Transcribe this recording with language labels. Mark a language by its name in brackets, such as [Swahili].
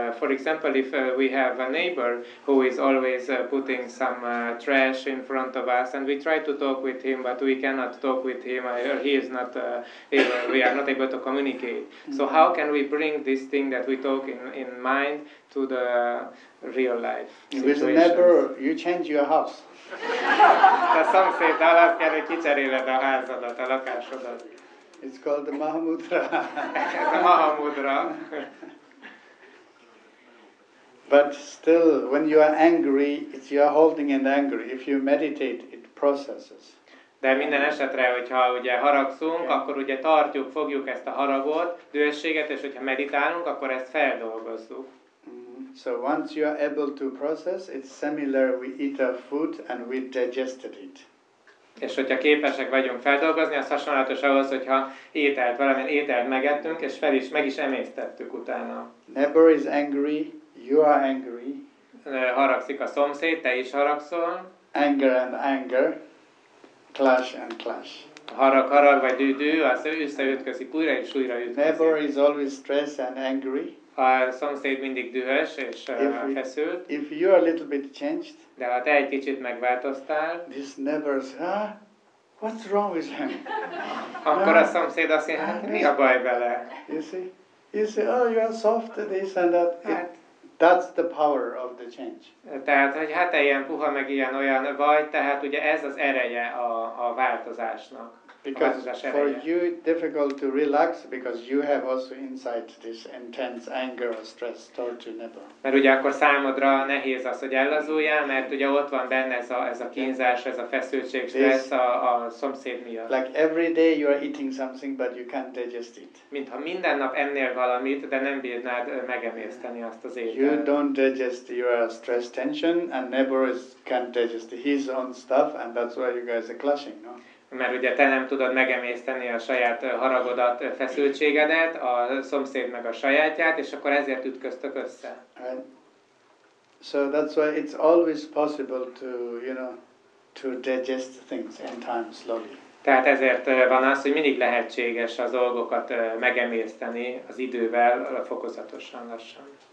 [English] For example, if we have a neighbor who is always putting some trash in front of us, and we try to talk with him, but we cannot talk with him, or he is not able, we are not able to communicate. So how can we bring this thing that we talk in mind to the real life situations? With a neighbor, you change your house. The song says, [Hungarian] "Alas, kérde kicseréled a házadat, a lakásodat." [English] It's called the Mahamudra. The Mahamudra. But still, when you are angry, it's you are holding an anger. If you meditate, it processes. [Hungarian] De minden esetre, hogyha ugye haragszunk, akkor ugye tartjuk, fogjuk ezt a haragot, dühességet, és hogyha meditálunk, akkor ezt feldolgozzuk. [English] So once you are able to process, it's similar, we eat our food and we digested it. [Hungarian] És hogyha képesek vagyunk feldolgozni, az hasonlatos ahhoz, hogyha ételt, valamilyen ételt megettünk, és fel is, meg is emésztettük utána. [English] Neighbor is angry, you are angry. [Hungarian] Haragszik a szomszéd, te is haragszol. [English] Anger and anger, clash and clash. [Hungarian] Harag, harag vagy dű, az összeütközik, újra és újra ütközik. [English] Neighbor is always stressed and angry. [Hungarian] A szomszéd mindig dühös és feszült. [English] If you are a little bit changed, [Hungarian] de ha te egy kicsit megváltoztál, [English] this neighbor says, huh? What's wrong with him? [Hungarian] Akkor a szomszéd azt mondja, mi a baj vele? [English] You see, oh, you are soft, this and that. Hát, that's the power of the change. [Hungarian] Tehát, hogy hát ilyen puha, meg ilyen olyan vagy, tehát ugye ez az ereje a változásnak. [English] Because for you it's difficult to relax because you have also inside this intense anger or stress towards your neighbor. [Hungarian] Mert ugye akkor számodra nehéz az, hogy ellazuljál, mert ugye ott van benne ez a kínzás, ez a feszültség, stressz a szomszéd miatt. [English] Like every day you are eating something but you can't digest it. [Hungarian] Mintha minden nap ennél valamit, de nem bírnád megemészteni azt az ételt. [English] You don't digest your stress tension and neighbor can't digest his own stuff and that's why you guys are clashing, no? [Hungarian] Mert ugye te nem tudod megemészteni a saját haragodat, feszültségedet, a szomszéd meg a sajátját, és akkor ezért ütköztök össze. [English] So that's why it's always possible to, you know, to digest things in time slowly. [Hungarian] Tehát ezért van az, hogy mindig lehetséges az dolgokat megemészteni az idővel, fokozatosan, lassan.